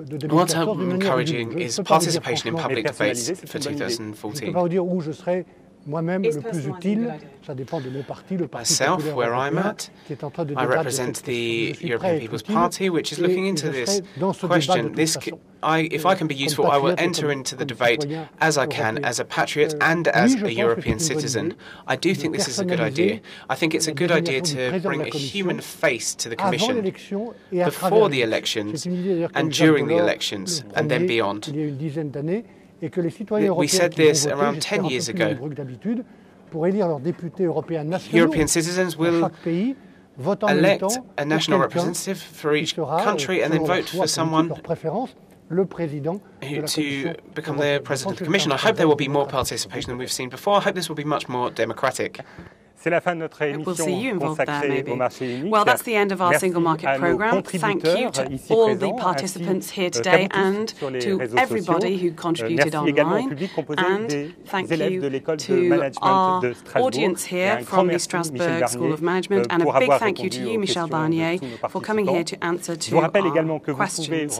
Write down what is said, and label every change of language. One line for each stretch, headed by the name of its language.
English: What I'm encouraging is participation in public debates for 2014.
French: Je peux pas dire où je serai moi-même le plus utile. Ça dépend de mon parti, le parti.
English: Myself, where I'm at, I represent the European People's Party, which is looking into this question. If I can be useful, I will enter into the debate as I can, as a patriot and as a European citizen. I do think this is a good idea. I think it's a good idea to bring a human face to the Commission before the elections and during the elections and then beyond. We said this around 10 years ago. European citizens will elect a national representative for each country and then vote for someone to become the president of the Commission. I hope there will be more participation than we've seen before. I hope this will be much more democratic.
French: C'est la fin de notre émission consacrée au marché unique.
English: Well, that's the end of our single market program. Thank you to all the participants here today and to everybody who contributed online. And thank you to our audience here from the Strasbourg School of Management. And a big thank you to you, Michel Barnier, for coming here to answer to our questions.